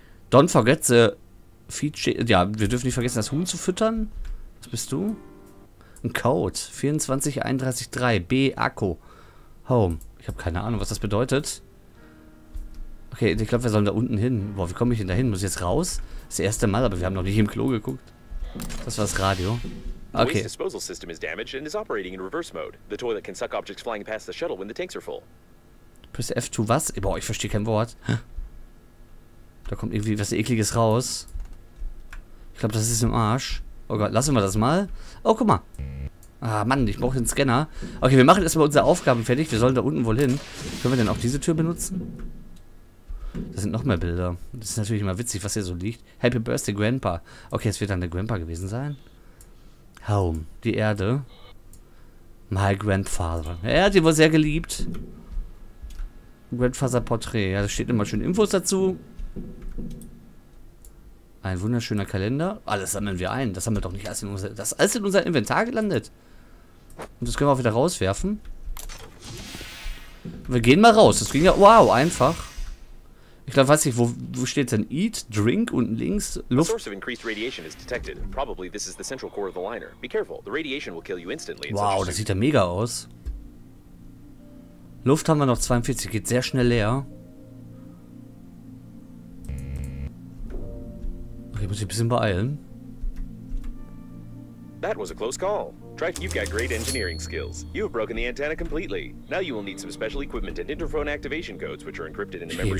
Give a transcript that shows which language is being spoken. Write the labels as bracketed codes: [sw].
[en] Don't forget the feature. [de] Ja, wir dürfen nicht vergessen, das Huhn zu füttern. Was bist du? Ein Code. 24313 B Akku. Home. Ich habe keine Ahnung, was das bedeutet. Okay, ich glaube, wir sollen da unten hin. Boah, wie komme ich denn da hin? Muss ich jetzt raus? Das ist das erste Mal, aber wir haben noch nicht im Klo geguckt. Das war das Radio. Okay. [en] Disposal system is damaged and is operating in reverse mode. The toilet can suck objects flying past the shuttle when the tanks are full. Press F to was? [de] Boah, ich verstehe kein Wort. Da kommt irgendwie was Ekliges raus. Ich glaube, das ist im Arsch. Oh Gott, lassen wir das mal. Oh, guck mal. Ah, Mann, ich brauche den Scanner. Okay, wir machen erstmal unsere Aufgaben fertig. Wir sollen da unten wohl hin. Können wir denn auch diese Tür benutzen? Da sind noch mehr Bilder. Das ist natürlich immer witzig, was hier so liegt. Happy Birthday, Grandpa. Okay, es wird dann der Grandpa gewesen sein. Home. Die Erde. My Grandfather. Er hat ihn wohl sehr geliebt. Grandfather Portrait. Ja, da steht immer schön Infos dazu. Ein wunderschöner Kalender. Alles sammeln wir ein. Das haben wir doch nicht alles in unser... Das ist alles in unser Inventar gelandet. Und das können wir auch wieder rauswerfen. Wir gehen mal raus. Das ging ja... Wow, einfach. Ich glaube, weiß nicht, wo steht denn Eat, Drink unten links, Luft. [en] A source of increased radiation is detected. Probably this is the central core of the liner. Be careful, the radiation will kill you instantly. [de] Wow, das sieht ja mega aus. Luft haben wir noch 42, geht sehr schnell leer. Okay, muss ich ein bisschen beeilen. [en] That was a close call. Trek, you've got great engineering skills. You have broken the antenna completely. Now you will need some special equipment and interphone activation codes, which are encrypted in the memory